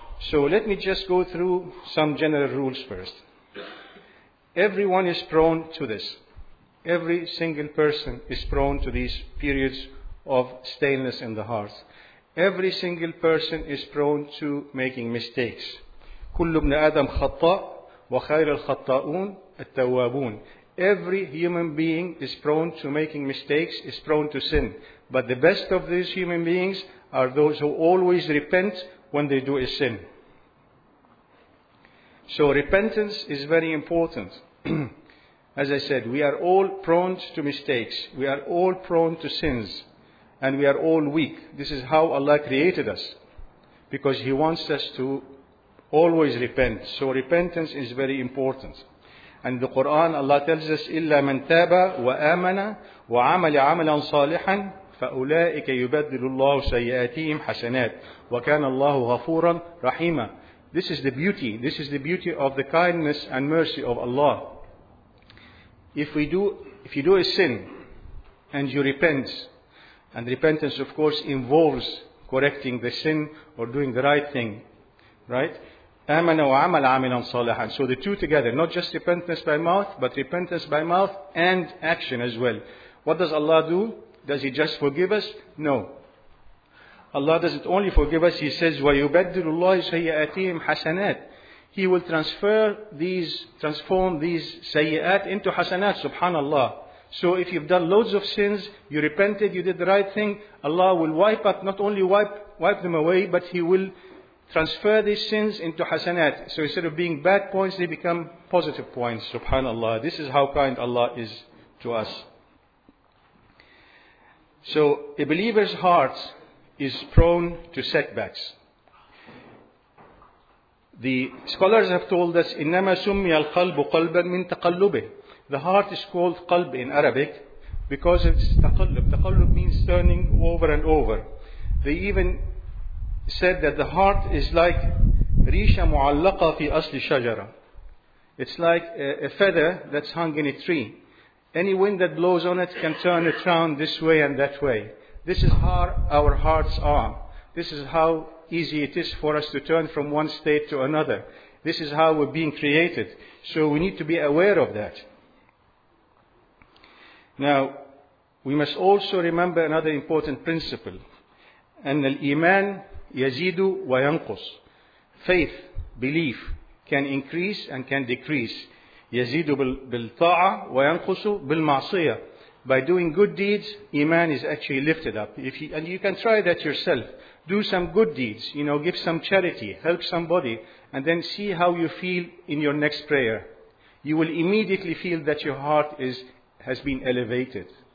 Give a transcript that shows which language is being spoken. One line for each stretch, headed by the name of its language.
English: So, let me just go through some general rules first. Everyone is prone to this. Every single person is prone to these periods of staleness in the heart. Every single person is prone to making mistakes.
Arabic: كل ابن آدم خطأ وخير الخطأون التوابون.
English: Every human being is prone to making mistakes, is prone to sin. But the best of these human beings are those who always repent when they do a sin. So repentance is very important. As I said, we are all prone to mistakes. We are all prone to sins. And we are all weak. This is how Allah created us. Because He wants us to always repent. So repentance is very important. And the Quran, Allah tells us,
Arabic: إِلَّا مَنْ تَابَ وَآمَنَ وَعَمَلَ عَمَلًا صَالِحًا فَأُولَٰئِكَ يُبَدِّلُ اللَّهُ سَيِّئَاتِهِمْ حَسَنَاتٍ وَكَانَ اللَّهُ غَفُورًا رَحِيمًا.
English: This is the beauty. This is the beauty of the kindness and mercy of Allah. If you do a sin and you repent, and repentance of course involves correcting the sin or doing the right thing, right?
Arabic: آمَنَ وَعَمَلَ عَمِلًا صَالِحًا.
English: So the two together, not just repentance by mouth, but repentance by mouth and action as well. What does Allah do? Does He just forgive us? No. Allah doesn't only forgive us, He says,
Arabic: وَيُبَدِّلُ اللَّهِ سَيِّئَاتِهِمْ حَسَنَاتٍ.
English: He will transform these sayyat into hasanat, subhanAllah. So if you've done loads of sins, you repented, you did the right thing, Allah will not only wipe them away, but He will transfer these sins into hasanat. So instead of being bad points, they become positive points, subhanAllah. This is how kind Allah is to us. So a believer's heart is prone to setbacks. The scholars have told us,
Arabic: إِنَّمَا سُمِّيَ الْقَلْبُ قَلْبًا مِنْ تَقَلُّبِهِ.
English: The heart is called qalb in Arabic because it's taqallub. Taqallub means turning over and over. They even said that the heart is like
Arabic: رِيشَ مُعَلَّقَ فِي أَصْلِ شَجَرًا.
English: It's like a feather that's hung in a tree. Any wind that blows on it can turn it around this way and that way. This is how our hearts are. This is how easy it is for us to turn from one state to another. This is how we're being created. So we need to be aware of that. Now, we must also remember another important principle.
Arabic: أن الإيمان يزيد وينقص.
English: Faith, belief, can increase and can decrease.
Arabic: يزيد بالطاعة وينقص بالمعصية.
English: By doing good deeds, iman is actually lifted up. And you can try that yourself. Do some good deeds, you know, give some charity, help somebody, and then see how you feel in your next prayer. You will immediately feel that your heart has been elevated.